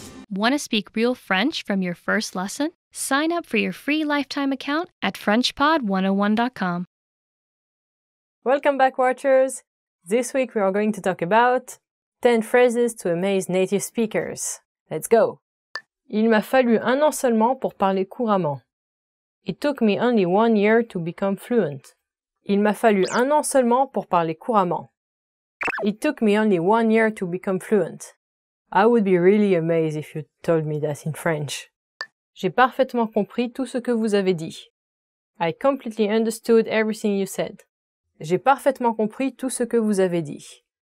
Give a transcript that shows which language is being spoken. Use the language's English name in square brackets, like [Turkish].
[English] Want to speak real French from your first lesson? Sign up for your free lifetime account at FrenchPod101.com. Welcome back, watchers. This week we are going to talk about 10 phrases to amaze native speakers. Let's go. [French] Il m'a fallu un an seulement pour parler couramment. [English] It took me only 1 year to become fluent. [French] Il m'a fallu un an seulement pour parler couramment. [English] It took me only 1 year to become fluent. I would be really amazed if you told me that in French. [French] J'ai parfaitement compris tout ce que vous avez dit. [English] I completely understood everything you said. [French] J'ai parfaitement compris tout ce que vous avez dit.